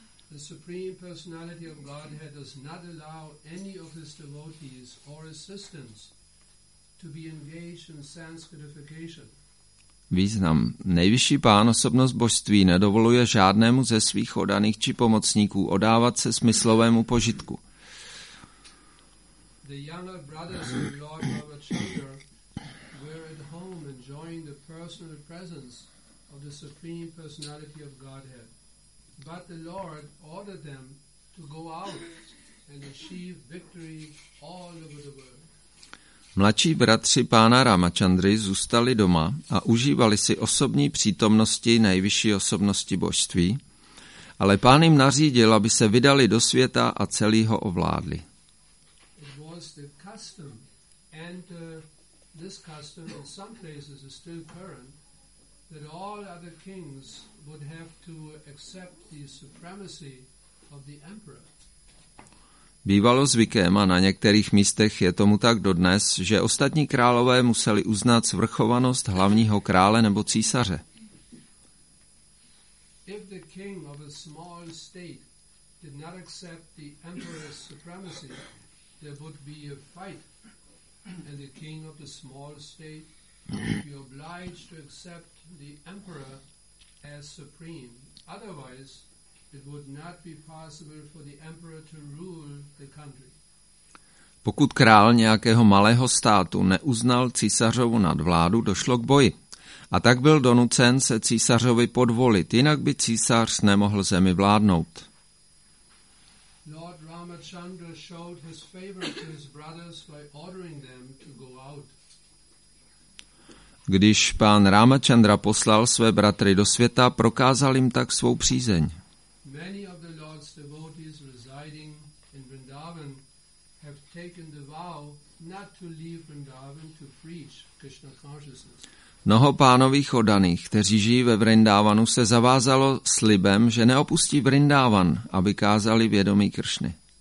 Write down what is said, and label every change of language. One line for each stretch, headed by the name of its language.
English: The Supreme Personality of Godhead does not allow any of his devotees or assistants to be engaged in sanskritification.
Czech: Význam. Nejvyšší pán, osobnost božství, nedovoluje žádnému ze svých oddaných či pomocníků odávat se smyslovému požitku.
English: The younger brothers of Lord Ramachandra were at home enjoying the personal presence of the Supreme Personality of Godhead. But the Lord ordered them to go out and achieve victory all over the world.
Czech: Mladší bratři pána Ramachandry zůstali doma a užívali si osobní přítomnosti nejvyšší osobnosti božství, ale pán jim nařídil, aby se vydali do světa a celý ho ovládli.
English: It was the custom, and this custom in some places is still current, that all other kings would have to accept the supremacy of the emperor.
Czech: Bývalo zvykem, a na některých místech je tomu tak dodnes, že ostatní králové museli uznat svrchovanost hlavního krále nebo císaře.
English: If the king of a small state did not accept the emperor's supremacy, there would be a fight, and the king of the small state would be obliged to accept the emperor as supreme. Otherwise, it would not be possible for the emperor to rule the country.
Czech: Pokud král nějakého malého státu neuznal císařovu nadvládu, došlo k boji. A tak byl donucen se císařovi podvolit, jinak by císař nemohl zemi vládnout.
English: Lord Ramachandra showed his favor to his brothers by ordering them to go out.
Czech: Když pán Ramachandra poslal své bratry do světa, prokázal jim tak svou přízeň.
English: Many of the Lord's devotees residing in Vrindavan have taken the vow not to leave Vrindavan to preach Krishna consciousness.
Czech: Mnoho pánových oddaných, kteří žijí ve Vrindávanu, se zavázalo slibem, že neopustí Vrindávan, aby kázali vědomí Kršny.